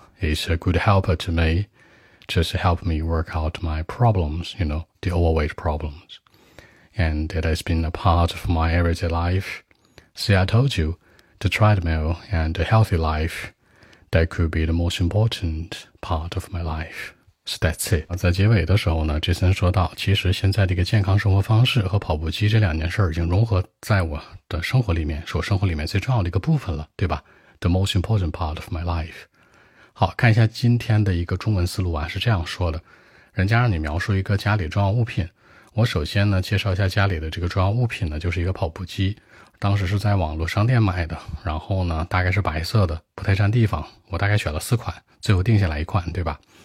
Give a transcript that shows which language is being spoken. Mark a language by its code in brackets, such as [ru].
[en] It's a good helper to me. Just help me work out my problems, you know, the overweight problems. And it has been a part of my everyday life. See, I told you, the treadmill and a healthy life, that could be the most important part of my life. So that's it. [zh] 在结尾的时候呢，杰森说到，其实现在的一个健康生活方式和跑步机这两件事已经融合在我的生活里面，是我生活里面最重要的一个部分了，对吧？ [en] The most important part of my life. [zh] 好，看一下今天的一个中文思路啊，是这样说的，人家让你描述一个家里重要物品，我首先呢介绍一下家里的这个重要物品呢，就是一个跑步机，当时是在网络商店买的，然后呢大概是白色的，不太占地方，我大概选了四款，最后定下来一款，对吧？